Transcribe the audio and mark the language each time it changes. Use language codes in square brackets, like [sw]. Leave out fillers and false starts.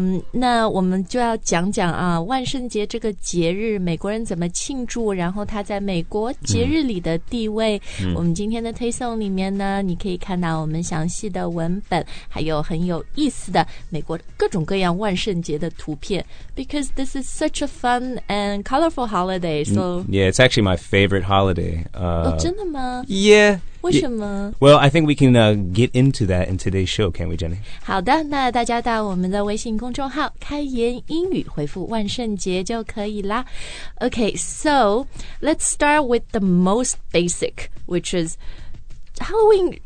[zh] 那我们就要讲讲啊，万圣节这个节日美国人怎么庆祝，然后它在美国节日里的地位。我们今天的推送里面呢，你可以看到我们详细的文本，还有很有意思的美国各种各样万圣节的图片。 [en] Because this is such a fun and colorful holiday, so... Yeah, it's actually my favorite holiday. [zh] Oh, 真的吗? [en] Yeah. [zh] 为什么? [en] Well, I think we can get into that in today's show, can't we, Jenny? [zh] 好的，那大家到我们的微信公众号开言英语回复万圣节就可以啦。 [en] Okay, so let's start with the most basic, which is Halloween.